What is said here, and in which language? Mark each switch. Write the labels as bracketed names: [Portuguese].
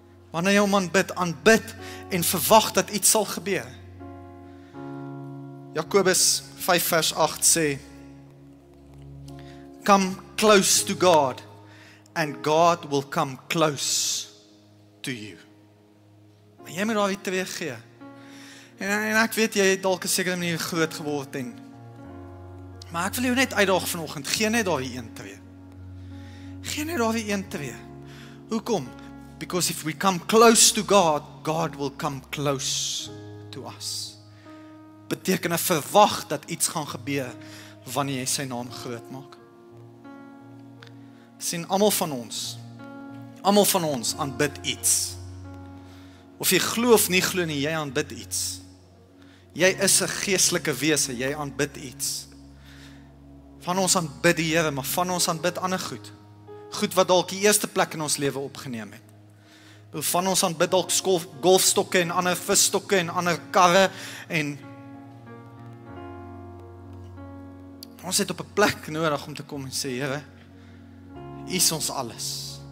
[Afrikaans] Wanneer jy om aanbid en verwag dat iets sal gebeur. Jakobus 5 vers 8 sê, [English] come close to God, and God will come close to you. [Afrikaans] Maar jy moet daar die twee gee. En ek weet, jy het dalk 'n sekere manier groot geword, en, maar ek wil jou net uitdaag vanoggend, gee net daar die 1-2. Gee net daar die 1-2. Hoekom? [English] Because if we come close to God, God will come close to us. [Afrikaans] Beteken 'n verwag dat iets gaan gebeur wanneer jy sy naam groot maak. Sien, almal van ons aanbid iets. Of jy glo of nie glo nie, jy aanbid iets. Jy is 'n geestelike wese, jy aanbid iets. Van ons aanbid die Here, maar van ons aanbid ander goed. Goed wat dalk die eerste plek in ons lewe opgeneem het. Van ons aanbid dalk golfstokke en ander visstokke en ander karre en ons het op 'n plek nodig om te kom en sê, Here, U is ons alles.